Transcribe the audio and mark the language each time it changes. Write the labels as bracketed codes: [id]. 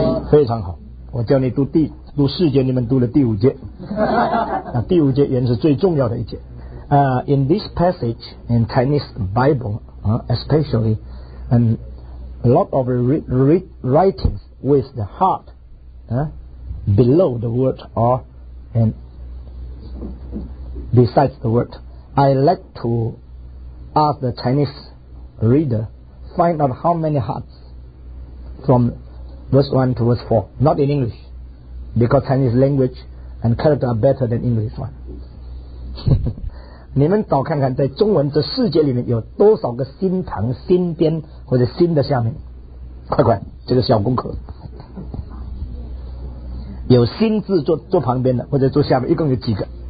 [zh] 非常好，我叫你读读四节，你们读了第五节。那第五节原是最重要的一节。 [en] In this passage in Chinese Bible, especially, and a lot of writings with the heart below the word or and besides the word, I like to ask the Chinese reader find out how many hearts from verse 1 to verse 4, not in English, because Chinese language and character are better than English one. [zh] 你们倒看看，在中文这世界里面有多少个心旁、心边或者心的下面？快快，这个小功课。有心字坐旁边的或者坐下面，一共有几个？